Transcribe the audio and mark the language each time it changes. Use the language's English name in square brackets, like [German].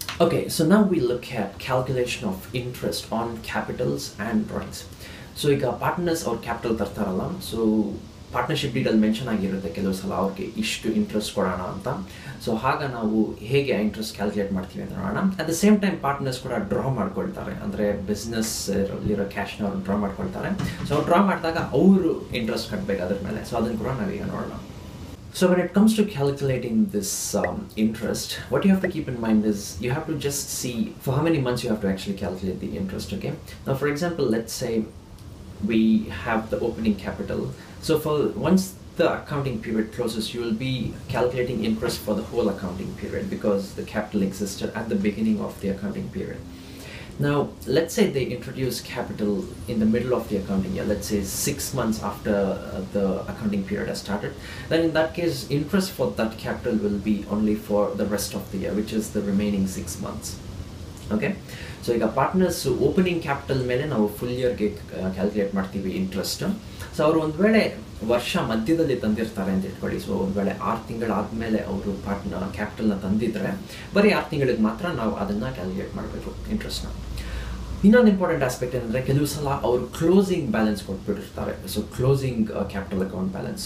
[English] Okay, so now we look at calculation of interest on capitals and rights. [Kannada] So ಈಗ partners ಅವ್ರ capital ತರ್ತಾರಲ್ಲ, so partnership detail mention ಆಗಿರುತ್ತೆ ಕೆಲವು ಸಲ ಅವ್ರಿಗೆ ಇಷ್ಟು ಇಂಟ್ರೆಸ್ಟ್ ಕೊಡೋಣ ಅಂತ. ಸೊ ಹಾಗೆ ನಾವು ಹೇಗೆ ಇಂಟ್ರೆಸ್ಟ್ ಕ್ಯಾಲ್ಕುಲೇಟ್ ಮಾಡ್ತೀವಿ ಅಂತ ನೋಡೋಣ. [English] at the same time [Kannada] partners ಕೂಡ ಡ್ರಾ ಮಾಡ್ಕೊಳ್ತಾರೆ, ಅಂದರೆ ಬಿಸ್ನೆಸ್ ಇರೋ ಕ್ಯಾಶ್ನ ಅವ್ರು ಡ್ರಾ ಮಾಡ್ಕೊಳ್ತಾರೆ. ಸೊ ಡ್ರಾ ಮಾಡಿದಾಗ ಅವರು ಇಂಟ್ರೆಸ್ಟ್ ಕಟ್ಟಬೇಕು ಅದ್ರ ಮೇಲೆ. ಸೊ ಅದನ್ನು ಕೂಡ ನಾವೀಗ ನೋಡೋಣ. [English] So when it comes to calculating this interest, what you have to keep in mind is you have to just see for how many months you have to actually calculate the interest, okay? Now for example, let's say we have the opening capital. So for once the accounting period closes, you will be calculating interest for the whole accounting period because the capital existed at the beginning of the accounting period. Now let's say they introduce capital in the middle of the accounting year, let's say 6 months after the accounting period has started, then in that case interest for that capital will be only for the rest of the year, which is the remaining 6 months. [Kannada] Okay, so ಈಗ partners opening capital ಮೇಲೆ ನಾವು full year ಗೆ calculate ಮಾಡ್ತೀವಿ interest. So ಅವರು ಒಂದು ವೇಳೆ ವರ್ಷ ಮಧ್ಯದಲ್ಲಿ ತಂದಿರ್ತಾರೆ ಅಂತ ಇಟ್ಕೊಳ್ಳಿ. ಸೊ ಒಂದು ವೇಳೆ 6 ತಿಂಗಳು ಆದಮೇಲೆ ಅವರು ಪಾರ್ಟ್ನರ್ ಕ್ಯಾಪಿಟಲ್ನ ತಂದಿದ್ರೆ ಬರೀ 6 ತಿಂಗಳಿಗೆ ಮಾತ್ರ ನಾವು ಅದನ್ನು ಕ್ಯಾಲ್ಕುಲೇಟ್ ಮಾಡಬೇಕು ಇಂಟ್ರೆಸ್ಟ್ನ. ಇನ್ನೊಂದು ಇಂಪಾರ್ಟೆಂಟ್ ಆಸ್ಪೆಕ್ಟ್ ಏನಂದರೆ ಕೆಲವು ಸಲ ಅವರು closing balance ಕೊಟ್ಬಿಟ್ಟಿರ್ತಾರೆ, so closing capital account balance.